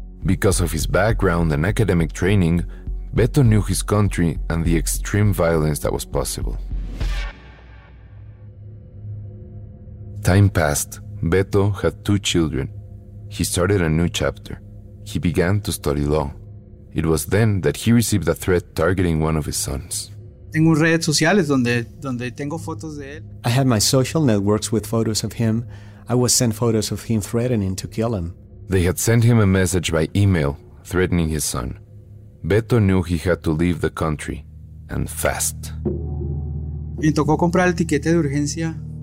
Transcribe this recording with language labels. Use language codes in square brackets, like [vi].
[en] Because of his background and academic training, Beto knew his country and the extreme violence that was possible. Time passed. Beto had 2 children. He started a new chapter. He began to study law. It was then that he received a threat targeting one of his sons. [es] Tengo redes sociales donde tengo fotos de él. [en] I had my social networks with photos of him. I was sent photos of him threatening to kill him. They had sent him a message by email threatening his son. Beto knew he had to leave the country, and fast. [es] Me tocó comprar el tiquete de urgencia.